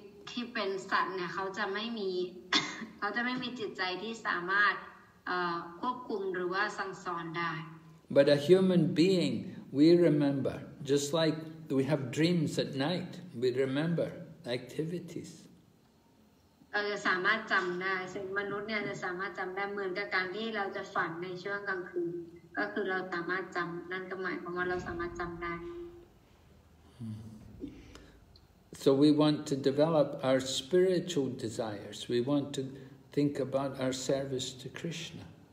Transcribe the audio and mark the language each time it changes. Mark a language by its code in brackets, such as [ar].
[th] ที่เป็นสัตว์เนี่ยเขาจะไม่มีเขาจะไม่มีจิตใจที่สามารถควบคุมหรือว่าสั่งสอนได้ [en] But a human being we remember just like we have dreams at night we remember activities [th] เราจะสามารถจำได้ซึ่งมนุษย์เนี่ยจะสามารถจำได้เหมือนกับการที่เราจะฝันในช่วงกลางคืนก็คือเราสามารถจำนั่นก็หมายความว่าเราสามารถจำได้ [en] So we want to develop our spiritual desires. We want to think about our service to Krishna.